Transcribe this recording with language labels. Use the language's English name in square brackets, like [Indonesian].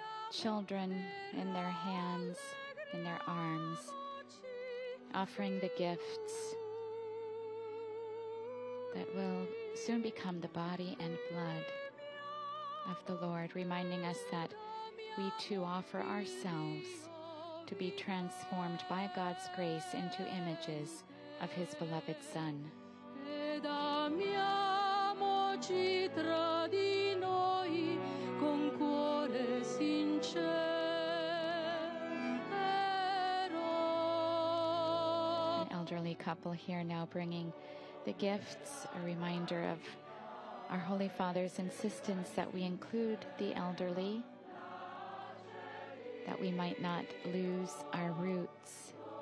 [English] children in their hands, in their arms, offering the gifts that will soon become the body and blood of the Lord, reminding us that we too offer ourselves to be transformed by God's grace into images of His beloved Son. [Italian] Ed amiamoci tra di noi con cuore sincero. [English] An elderly couple here now bringing the gifts, a reminder of our Holy Father's insistence that we include the elderly, that we might not lose our roots.